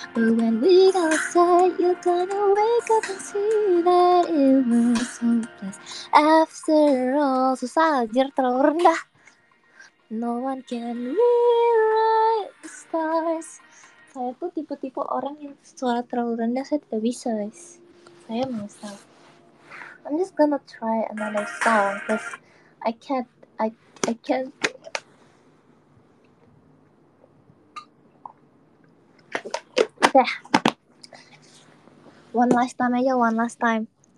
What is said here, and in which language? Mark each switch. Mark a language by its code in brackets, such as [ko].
[en] But when we go outside, you're gonna wake up and see that it was hopeless after all. [id] Susah, jir, terlalu rendah. [en] No one can rewrite the stars. [id] Saya tuh tipe-tipe orang yang suara terlalu rendah, saya tidak bisa, guys. Saya menyesal. [en] I'm just gonna try another song, cause I can't. Yeah. One last time.